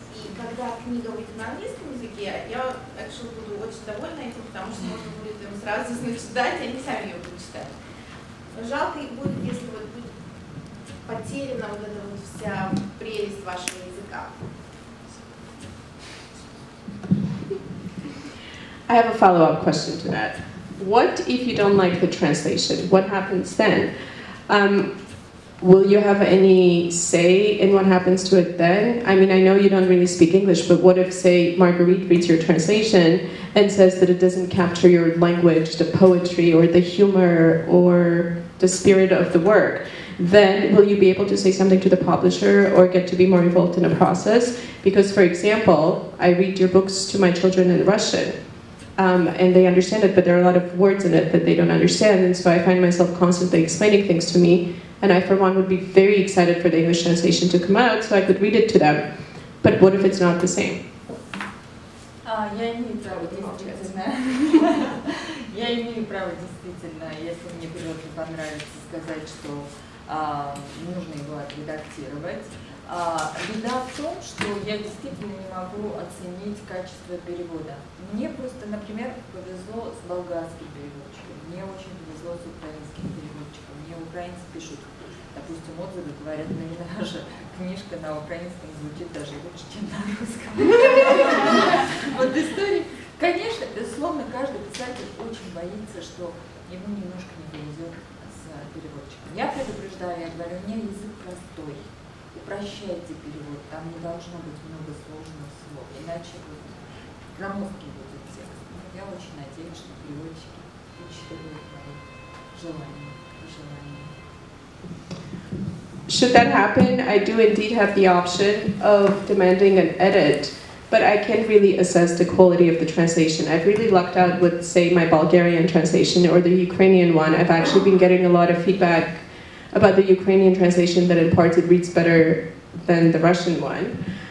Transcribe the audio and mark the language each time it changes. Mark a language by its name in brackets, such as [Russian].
[Russian] И когда книга выйдет на английском языке, я actually буду очень довольна этим, потому что можно будет им сразу читать, и они сами ее будут читать. Жалко их будет, если вот будет потеряна вот эта вот вся прелесть вашего языка. [English] I have a follow-up question to that. What if you don't like the translation? What happens then? Will you have any say in what happens to it then? I mean, I know you don't really speak English, but what if, say, Marguerite reads your translation and says that it doesn't capture your language, the poetry, or the humor, or the spirit of the work? Then will you be able to say something to the publisher or get to be more involved in the process? Because, for example, I read your books to my children in Russian. And they understand it, but there are a lot of words in it that they don't understand, and so I find myself constantly explaining things to me, and I, for one, would be very excited for the English translation to come out so I could read it to them. But what if it's not the same? [Russian] Я имею право, действительно. Я имею право, действительно, если мне природа понравится, сказать, что нужно его отредактировать. Беда в том, что я действительно не могу оценить качество перевода. Мне просто, например, повезло с болгарским переводчиком, мне очень повезло с украинским переводчиком. Мне украинцы пишут, допустим, отзывы, говорят, на иначе. Книжка на украинском звучит даже лучше, чем на русском. Вот история. Конечно, безусловно, каждый писатель очень боится, что ему немножко не повезет с переводчиком. Я предупреждаю, я говорю, у меня язык простой. Упрощайте перевод, там не должно быть много сложных слов, иначе будет громоздкий будет текст. Я очень надеюсь, что переводчики учитывают мои желания и желания. [English] Should that happen, I do indeed have the option of demanding an edit, but I can't really assess the quality of the translation. I've really lucked out with, say, my Bulgarian translation or the Ukrainian one. I've actually been getting a lot of feedback about the Ukrainian translation that in parts it reads better than the Russian one.